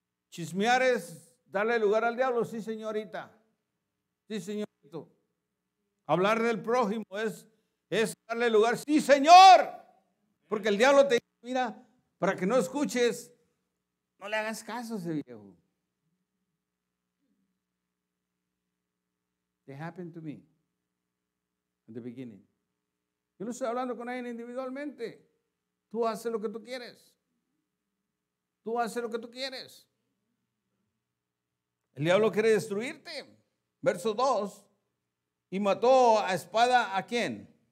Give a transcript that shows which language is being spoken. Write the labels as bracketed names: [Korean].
[Spanish] Chismear es darle lugar al diablo, sí, señorita. Sí, señorito. Hablar del prójimo es darle lugar, sí, señor. Porque el diablo te dice, mira, para que no escuches, no le hagas caso a ese viejo. [English] It happened to me in the beginning. [Spanish] Yo no estoy hablando con alguien individualmente. Tú haces lo que tú quieres. Tú haces lo que tú quieres. El diablo quiere destruirte. Verso 2. Y mató a espada ¿a quién?